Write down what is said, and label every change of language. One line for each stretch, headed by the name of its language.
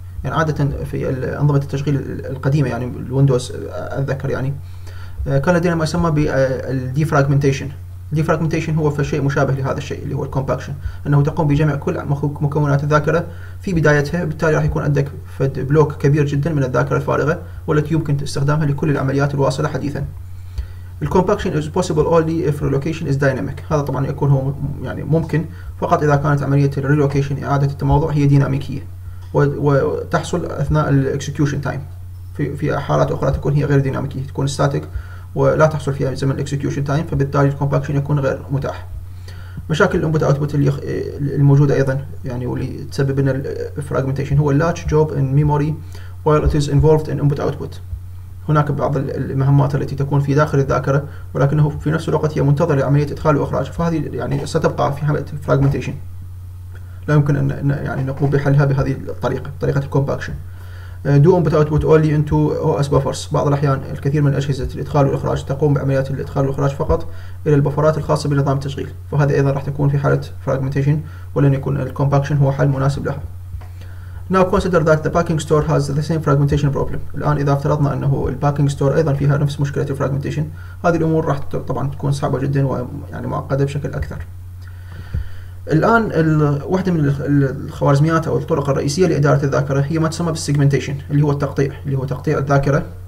Arabic: يعني عادة في أنظمة التشغيل القديمة، يعني الويندوز أتذكر، يعني كان لدينا ما يسمى بالديفراجمنتيشن. الديفراجمنتيشن هو في شيء مشابه لهذا الشيء اللي هو الكومباكشن، أنه تقوم بجمع كل مكونات الذاكرة في بدايتها، بالتالي راح يكون عندك فد بلوك كبير جدا من الذاكرة الفارغة، والتي يمكن استخدامها لكل العمليات الواصلة حديثا.
English: الكومباكشن is possible only if relocation is dynamic.
Arabic: هذا طبعا يكون هو يعني ممكن فقط إذا كانت عملية الريلوكيشن، إعادة التموضع، هي ديناميكية وتحصل أثناء الاكسكيوشن تايم. في حالات أخرى تكون هي غير ديناميكية، تكون ستاتيك ولا تحصل فيها زمن الاكسكيوشن تايم، فبالتالي الكومباكشن يكون غير متاح. مشاكل الانبوت اوتبوت الموجودة أيضا، يعني واللي تسبب لنا الفراجمنتيشن، هو اللاتش جوب ان ميموري
English: while it is involved in input output.
Arabic: هناك بعض المهمات التي تكون في داخل الذاكرة، ولكنه في نفس الوقت هي منتظرة لعملية إدخال وإخراج، فهذه يعني ستبقى في حالة fragmentation، لا يمكن أن يعني نقوم بحلها بهذه الطريقة، طريقة compaction.
English: Do input output only into OS buffers.
Arabic: بعض الأحيان الكثير من أجهزة الإدخال والإخراج تقوم بعمليات الإدخال والإخراج فقط إلى البفرات الخاصة بنظام التشغيل، فهذا أيضا راح تكون في حالة fragmentation، ولن يكون compaction هو حل مناسب لها.
English: Now consider that the packing store has the same fragmentation problem.
Arabic: الآن إذا افترضنا أنه الباكينج ستور أيضا فيها نفس مشكلة الفراجمنتيشن، هذه الأمور راح طبعا تكون صعبة جدا ويعني معقدة بشكل أكثر. الآن واحدة من الخوارزميات أو الطرق الرئيسية لإدارة الذاكرة هي ما تسمى بالسيجمنتيشن، اللي هو التقطيع، اللي هو تقطيع الذاكرة.